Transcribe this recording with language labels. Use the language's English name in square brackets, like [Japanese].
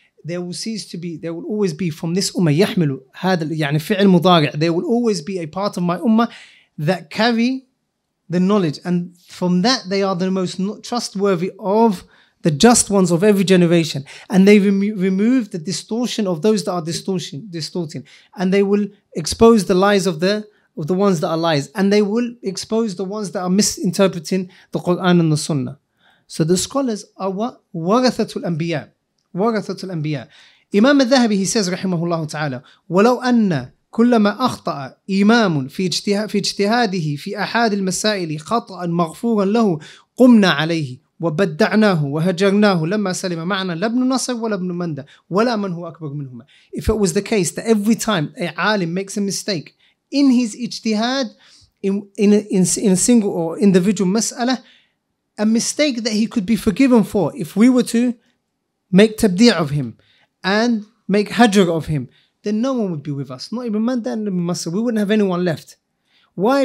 [English] there will cease to be, there will always be from this ummah, [Arabic] يحمل هذا يعني فعل مضارع, [English] there will always be a part of my ummah that carry the knowledge, and from that they are the most trustworthy of the just ones of every generation, and they remove the distortion of those that are distorting, and they will expose the lies of the ones that are lies, and they will expose the ones that are misinterpreting the Quran and the Sunnah. So the scholars are what? Warathatul Anbiya. Warathatul Anbiya. Imam al-Dhahabi, he says, rahimahullah ta'ala, [Arabic] وَلَوْ أَنَّ كُلَّمَا أَخْطَأَ إِمَامٌ فِي اجْتِهَادِهِ فِي أَحَادِ الْمَسَائِلِ خَطَأً مَغْفُورًا لَهُ قُمْنَا عَلَيْهِ وَبَدَّعْنَاهُ وَهَجَرْنَاهُ لَمَّا سَلِمَ مَعْنَا لَبْنُ نَصَرٍ وَلَبْنُ مَنْدَ وَلَا مَنْ هُوَ أَكْبَرُ مِنْهُمَا. [English] If it was the case that every time a alim makes a mistake in his ijtihad, in a single or individual mas'ala, a mistake that he could be forgiven for, if we were to make tabdi' of him and make hajr of him, then no one would be with us. Not even Manda and Masa. We wouldn't have anyone left. Why?